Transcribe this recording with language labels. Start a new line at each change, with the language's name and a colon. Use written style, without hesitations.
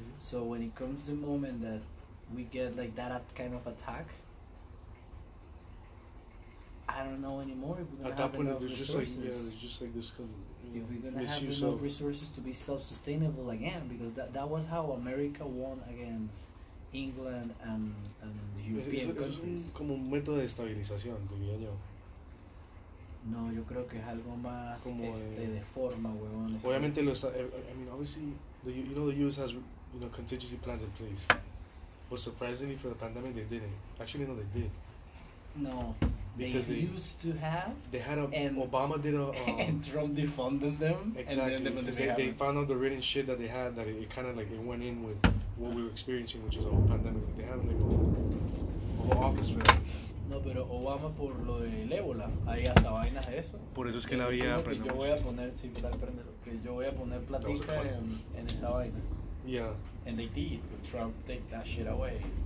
English: So when it comes the moment that we get like that kind of attack, I don't know anymore if we're going to have enough resources. At that point, it's just like this kind of, you know, if we're going to have Enough resources to be self-sustainable again, because that was how America won against England and the European countries.
Spanish: Es como un método de estabilización, diría yo. No, yo creo que es algo más como de forma, huevón. Obviamente lo está.
English: I mean, obviously, you know, the U.S. has, you know, contingency plans in place. But surprisingly, for the pandemic, they didn't. Actually, no, they did. No. Because they used to have. They had a. And Obama did a. And Trump defunded them. Exactly. Because they found out the written shit that they had that it kind of like it went in with what we were experiencing, which is a whole pandemic. They had like a whole office for that.
Spanish: No, pero Obama por lo del ébola, ahí hasta vainas eso. Por eso es que la había aprendido. Yo voy a poner, sí, para aprenderlo, que yo voy a poner platica en esa vaina.
English: Yeah. And they did, but Trump take that shit away.